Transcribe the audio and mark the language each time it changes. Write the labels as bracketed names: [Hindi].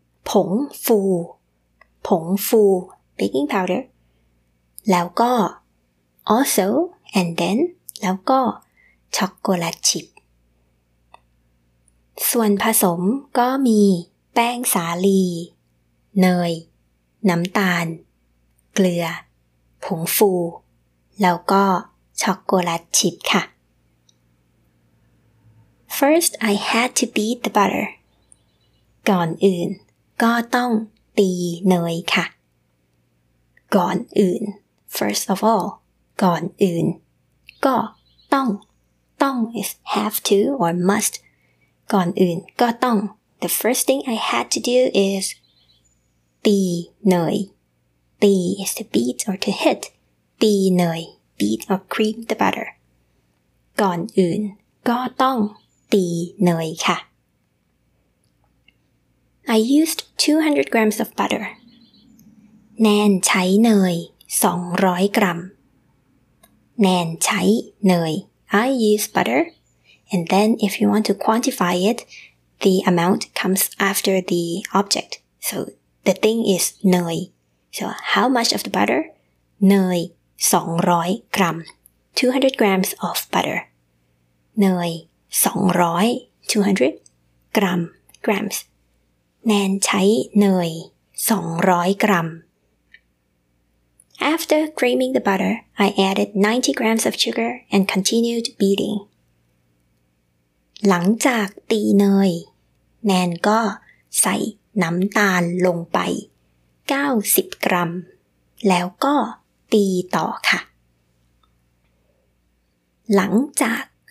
[Thai] ผงฟูผงฟู [English] baking powder [Thai] แล้วก็ [English] also and then [Thai] แล้วก็ช็อกโกแลตชิพส่วนผสมก็มีแป้งสาลีเนยน้ำตาลเกลือผงฟูแล้วก็ช็อกโกแลตชิพค่ะ [English] First I had to beat the butter [Thai] ก่อนอื่นก็ต้องตีเนยค่ะก่อนอื่น [English] First of all [Thai] ก่อนอื่นก็ต้องต้อง [English] is have to or must [Thai] ก่อนอื่นก็ต้อง [English] The first thing I had to do is [Thai] ตีเนย ตี [English] is to beat or to hit [Thai] ตีเนย [English] beat or cream the butter [Thai] ก่อนอื่นก็ต้องตีเนยค่ะ [English] I used 200 grams of butter [Thai] แนนใช้เนย200กรัมแนนใช้เนย [English] I use butter, and then if you want to quantify it, the amount comes after the object. So the thing is เนย. So how much of the butter? [Thai] เนย200กรัม. [English] 200 grams of butter. [Thai] เนย200 [English] 200 [Thai] กรัม. [English] Grams. [Thai] แนนใช้เนย200กรัม. [English] After creaming the butter, I added 90 grams of sugar and continued beating. [Thai] หลังจากตีเนยแนนก็ใส่น้ำตาลลงไป90กรัมแล้วก็ตีต่อค่ะหลังจาก